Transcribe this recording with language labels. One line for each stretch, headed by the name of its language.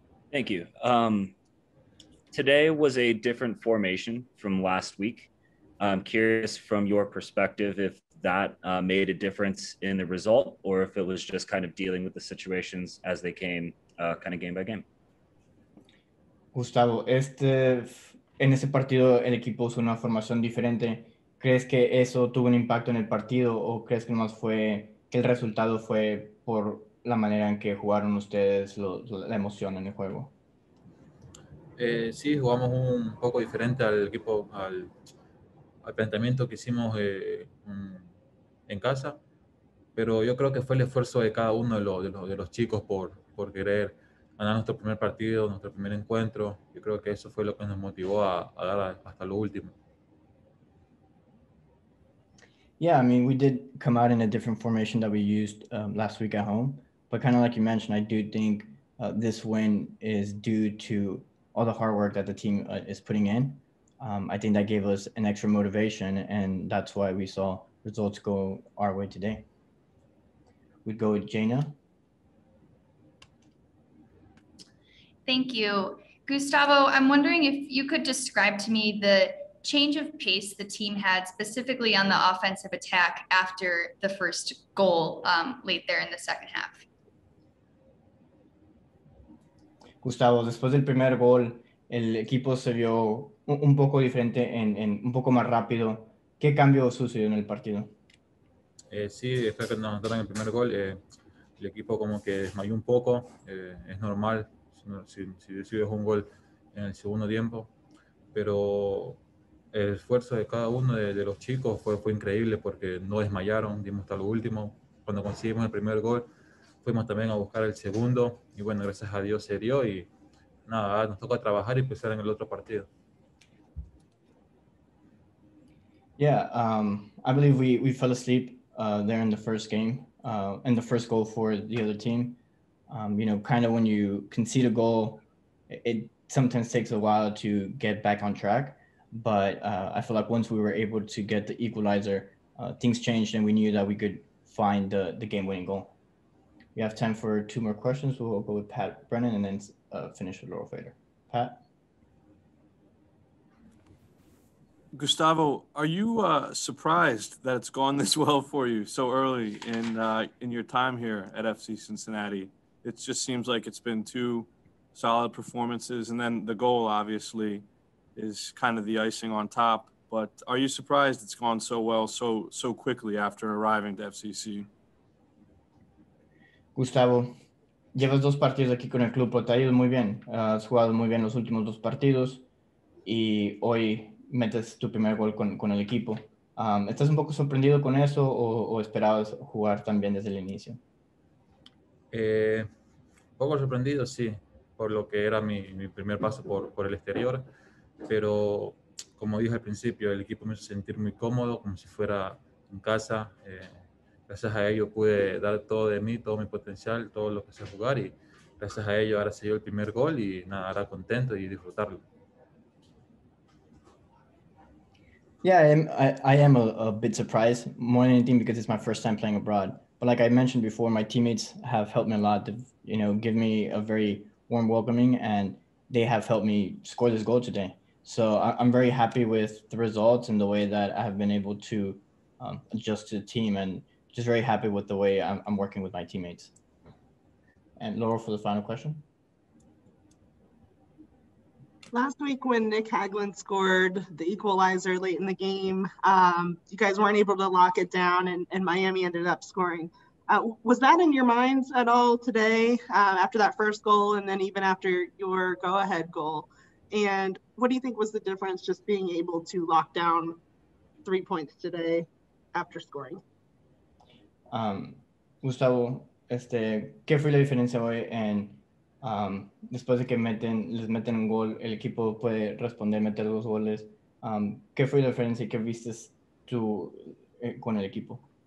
English: Thank you. Today was a different formation from last week. I'm curious from your perspective if that made a difference in the result or if it was just kind of dealing with the situations as they came kind of game by game.
Spanish: Gustavo, en ese partido el equipo usó una formación diferente. ¿Crees que eso tuvo un impacto en el partido o crees que más fue que el resultado fue por la manera en que jugaron ustedes la emoción en el juego? Sí, jugamos un poco diferente al equipo, al planteamiento que hicimos en casa, pero yo creo que fue el esfuerzo de cada uno de los chicos por querer ganar nuestro primer partido, nuestro primer encuentro. Yo creo que eso fue lo que nos motivó a dar hasta lo último.
English: Yeah, I mean, we did come out in a different formation that we used last week at home, but kind of like you mentioned, I do think this win is due to all the hard work that the team is putting in. I think that gave us an extra motivation, and that's why we saw results go our way today. We go with Jaina. Thank you. Gustavo, I'm wondering if you could describe to me the change of pace the team had specifically on the offensive attack after the first goal late there in the second half.
Spanish: Gustavo, después del primer gol, el equipo se vio un poco diferente, en un poco más rápido. ¿Qué cambio sucedió en el partido? Sí, después que nos anotaron el primer gol, el equipo como que desmayó un poco. Es normal si recibes un gol en el segundo tiempo. Pero el esfuerzo de cada uno de los chicos fue increíble porque no desmayaron, dimos hasta lo último. Cuando conseguimos el primer gol, fuimos también a buscar el segundo. Y bueno, gracias a Dios se dio y nada, nos toca trabajar y empezar en el otro partido.
English: Yeah, I believe we fell asleep there in the first game, and the first goal for the other team. You know, kind of when you concede a goal, it sometimes takes a while to get back on track. But I feel like once we were able to get the equalizer, things changed and we knew that we could find the game-winning goal. We have time for two more questions. We'll go with Pat Brennan and then finish with Laura Fader. Pat? Gustavo, are you surprised that it's gone this well for you so early in your time here at FC Cincinnati? It just seems like it's been two solid performances, and then the goal obviously is kind of the icing on top. But are you surprised it's gone so well so quickly after arriving to FCC?
Spanish: Gustavo, llevas dos partidos aquí con el club, pero te ha ido muy bien. Has jugado muy bien los últimos dos partidos, y hoy metes tu primer gol con el equipo. ¿Estás un poco sorprendido con eso o esperabas jugar también desde el inicio? Un poco sorprendido, sí, por lo que era mi primer paso por el exterior. Pero, como dije al principio, el equipo me hizo sentir muy cómodo, como si fuera en casa. Gracias a ello pude dar todo de mí, todo mi potencial, todo lo que sé jugar. Y gracias a ello ahora se dio el primer gol y nada, ahora contento y disfrutarlo.
English: Yeah, I am a bit surprised, more than anything because it's my first time playing abroad. But like I mentioned before, my teammates have helped me a lot. They've, you know, give me a very warm welcoming, and they have helped me score this goal today. So I'm very happy with the results and the way that I have been able to adjust to the team, and just very happy with the way I'm working with my teammates. And Laura, for the final question. Last week when Nick Haglund scored the equalizer late in the game, you guys weren't able to lock it down and Miami ended up scoring. Was that in your minds at all today after that first goal and then even after your go-ahead goal? And what do you think was the difference just being able to lock down 3 points today after scoring?
Spanish: Gustavo, este, ¿qué fue la diferencia hoy? En después de que meten, les meten un gol, el equipo puede responder, meter dos goles. ¿Qué fue la diferencia que viste tú con el equipo?